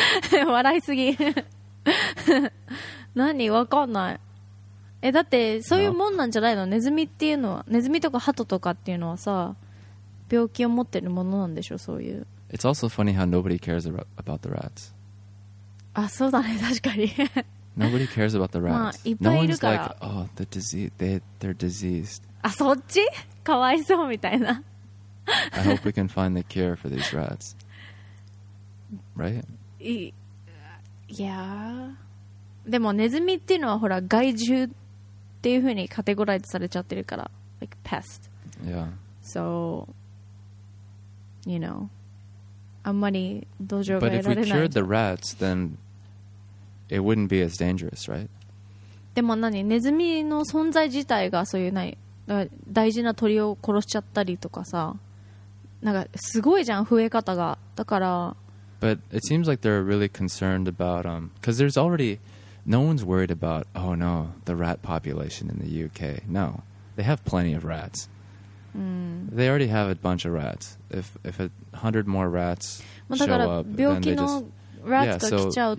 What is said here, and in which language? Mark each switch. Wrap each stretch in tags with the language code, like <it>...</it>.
<ja>笑いすぎ何わかんないえだってそういうもんなんじゃないの、well, ネズミっていうのはネズミとかハトとかっていうのはさ病気を持ってるものなんでしょそういう</ja> <en>It's also funny how nobody cares about the rats</en> <ja>あそうだね確かに</ja> <en>Nobody cares about the rats、</en> <ja>まあ、いっぱいいるから</ja> <en>No one's like oh the disease they're diseased</en> <ja>あそっちかわいそうみたいな</ja> <en>I hope we can find the cure for these rats Right?</en> <ja>Yeah でもネズミっていうのはほら害獣っていうふうにカテゴライズされちゃってるから</ja> <en>Like pest Yeah SoYou know,</en> <ja>あんまり同情が得られない</ja> <en>But if we cured the rats, then it wouldn't be as dangerous, right?</en> <ja>でも何ネズミの存在自体がそういうない大事な鳥を殺しちゃったりとかさ、なんかすごいじゃん増え方がだから。</ja> <en>But it seems like they're really concerned about because there's already no one's worried about oh no the rat population in the UK. No, they have plenty of rats. Mm. They already have a bunch of rats. If 100 more rats show up,</en>